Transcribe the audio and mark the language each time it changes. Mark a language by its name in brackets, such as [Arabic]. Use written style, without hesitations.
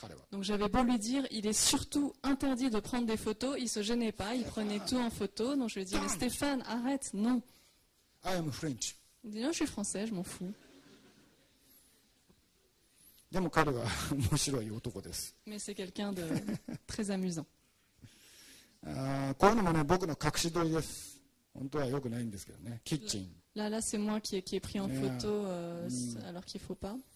[French] Donc j'avais beau lui dire, il est surtout interdit de prendre des photos, il se gênait pas, il prenait tout en photo. Donc je lui ai dit, mais Stéphane, arrête, non. [English] I am French. [French] Il dit, non, je suis français, je m'en fous. [Japanese] でも彼は面白い男です。 [French] Mais c'est quelqu'un de très amusant. [Japanese] こういうのもね、僕の隠し撮りです。本当は良くないんですけどね。キッチン。 [French] Là, c'est moi qui ai pris en photo alors qu'il faut pas.